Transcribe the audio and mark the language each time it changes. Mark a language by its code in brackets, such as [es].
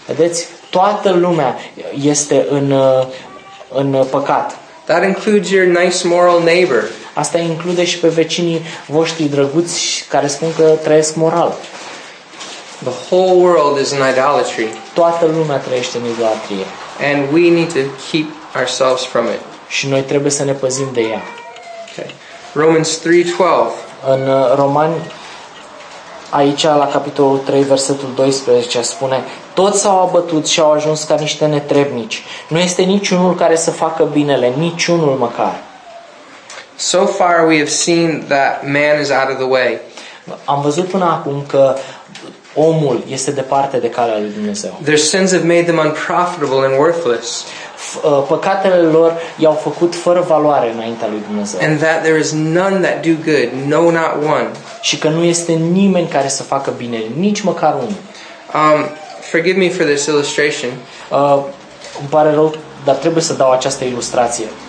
[ro] Vedeți, toată lumea este în păcat. [en] That includes your nice moral neighbor. [ro] Asta include și pe vecinii voștri drăguți care spun că trăiesc moral. [en] The whole world is in idolatry. [ro] Toată lumea trăiește în idolatrie. [en] And we need to keep ourselves from it. [ro] Și noi trebuie să ne păzim de ea. [en] Romans 3:12. [ro] În Romani, aici la capitolul 3, versetul 12, spune: Toți s-au abătut și au ajuns ca niște netrebnici. Nu este niciunul care să facă binele, niciunul măcar. [en] So far we have seen that man is out of the way. [ro] Am văzut până acum că omul este departe de calea lui Dumnezeu. [en] Their sins have made them unprofitable and worthless. [ro] Păcatele lor i-au făcut fără valoare înaintea lui Dumnezeu. [en] And that there is none that do good, no, not one. [ro] Și că nu este nimeni care să facă bine, nici măcar unul. [en] Forgive me for this illustration. [ro] Îmi pare rău, dar trebuie să dau această ilustrație.